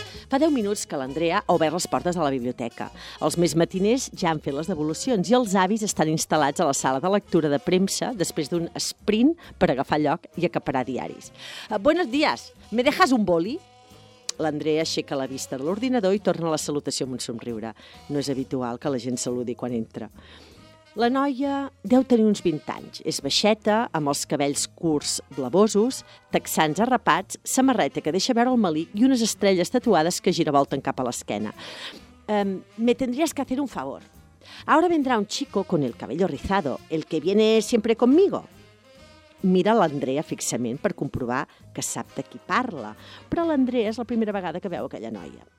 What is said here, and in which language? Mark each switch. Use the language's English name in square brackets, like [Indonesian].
[Catalan] Fa 10 minuts que l'Andrea ha obert les portes de la biblioteca. Els més matiners ja han fet les devolucions i els avis estan instal·lats a la sala de lectura de premsa després d'un sprint per agafar lloc i acaparar diaris. [Spanish] Buenos días, ¿me dejas un boli? [Catalan] L'Andrea aixeca la vista de l'ordinador i torna a la salutació amb un somriure. No és habitual que la gent saludi quan entra. La noia deu tenir uns 20 anys. És baixeta, amb els cabells curts blavosos, texans arrapats, samarreta que deixa veure el melic i unes estrelles tatuades que giravolten cap a l'esquena. [Spanish] Me tendrías que hacer un favor. Ahora vendrá un chico con el cabello rizado, el que viene siempre conmigo. [Catalan] Mira l'Andrea fixament per comprovar que sap de qui parla, però l'Andrea és la primera vegada que veu aquella noia.